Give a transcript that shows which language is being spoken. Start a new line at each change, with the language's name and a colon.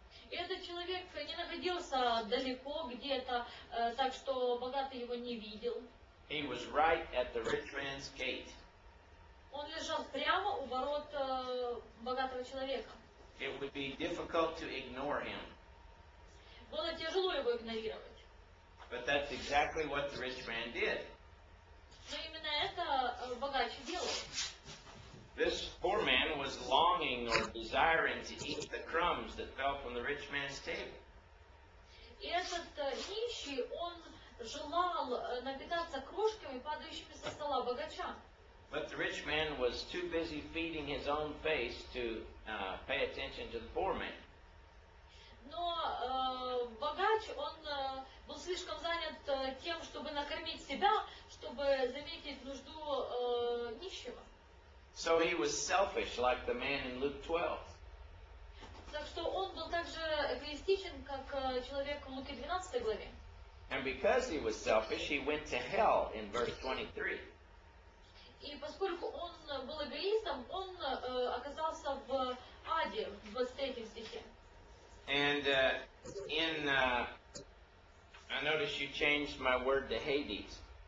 Russian: И этот человек не находился далеко где-то, так что богатый его не видел.
English: He was right at the rich man's gate.
Russian: Он лежал прямо у ворот богатого человека.
English: It would be difficult to ignore him.
Russian: Было тяжело его игнорировать.
English: But that's exactly what the rich man did.
Russian: Но именно это богач делал.
English: This poor man was longing or desiring to eat the crumbs that fell from the rich man's table.
Russian: И этот нищий, он желал напитаться крошками, падающими со стола богача.
English: But the rich man was too busy feeding his own face to pay attention to the poor man.
Russian: Но богач, он был слишком занят тем, чтобы накормить себя, чтобы заметить нужду нищего.
English: So he was selfish, like the man in Luke 12.
Russian: Так что он был также эгоистичен, как человек в Луке 12 главе.
English: And because he was selfish, he went to hell in verse 23.
Russian: И поскольку он был эгоистом, он оказался в аде в 23 стихе.
English: And in I notice you changed my word to Hades.